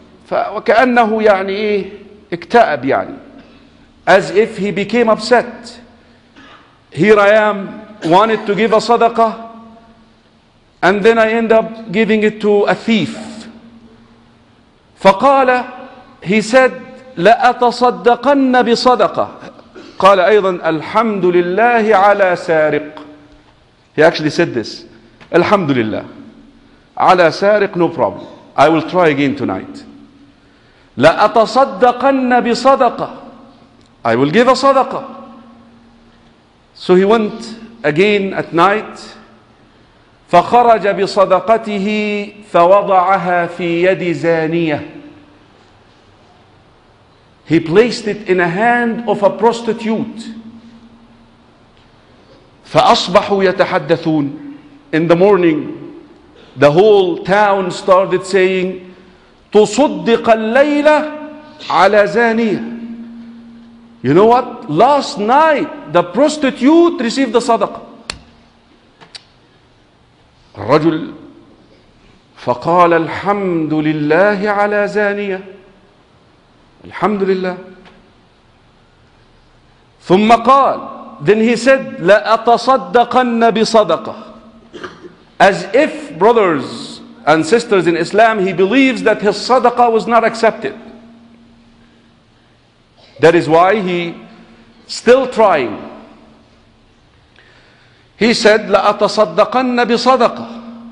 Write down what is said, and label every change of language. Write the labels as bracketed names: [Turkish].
[Arabic] فكأنه يعني إيه اكتئب يعني. [English] As if he became upset. Here I am, wanted to give a صدقة, and then I end up giving it to a thief. [Arabic] فقال, [English] he said, [Arabic] لأتصدقن بصدقة. قال أيضا, الحمد لله على سارق. [English] He actually said this, [Arabic] الحمد لله على سارق, [English] no problem, I will try again tonight. [Arabic] لأتصدقن بصدقة, [English] I will give a صدقة. So he went again at night. [Arabic] فخرج بصدقته فوضعها في يد زانية. [English] He placed it in a hand of a prostitute. [Arabic] فأصبحوا يتحدثون. [English] In the morning, the whole town started saying, [Arabic] تصدق الليلة على زانية. [English] You know what? Last night, the prostitute received the صدقة. [Arabic] الرجل فقال الحمد لله على زانية. الحمد لله. ثم قال, [English] then he said, [Arabic] لأتصدقن بصدقة. [English] As if, brothers and sisters in Islam, he believes that his sadaqah was not accepted. That is why he still trying. He said, لأتصدقن بصدقة.